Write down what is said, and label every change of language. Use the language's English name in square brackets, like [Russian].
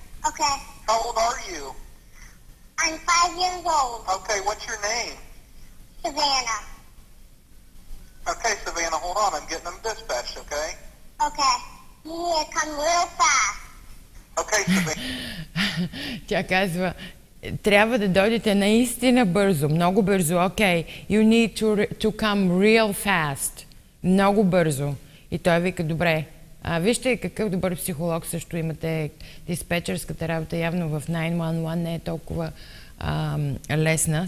[English] Okay. How old are you? I'm 5 years old. Okay, what's your name? Savannah. Okay, Savannah, hold on. I'm getting them dispatched, okay? Okay. You need to come real fast. Okay, Savannah. [Bulgarian] Тя казва... Трябва да дойдете наистина бързо, много бързо. [English] Окей, okay. You need to come real fast. [Bulgarian] Много бързо. И той вика, добре. Вижте какъв добър психолог също имате. Диспетчерската работа явно в 911 не е толкова лесна.